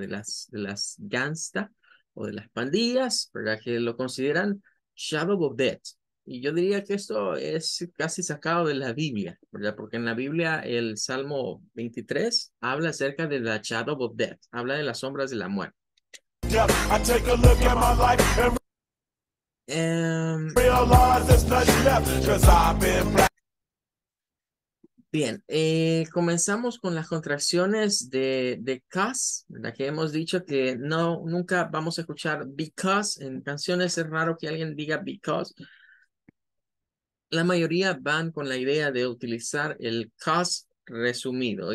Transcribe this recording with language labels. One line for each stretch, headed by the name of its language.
Spanish: De las gangsta o de las pandillas, ¿verdad? Que lo consideran Shadow of Death. Y yo diría que esto es casi sacado de la Biblia, ¿verdad? Porque en la Biblia el Salmo 23 habla acerca de la Shadow of Death, habla de las sombras de la muerte.
English: death. I take a look at my life and realize there's nothing left, cause I've been black.
Spanish: Bien, comenzamos con las contracciones de cause, ¿verdad? Que hemos dicho que no, nunca vamos a escuchar because. En canciones es raro que alguien diga because. La mayoría van con la idea de utilizar el cause resumido.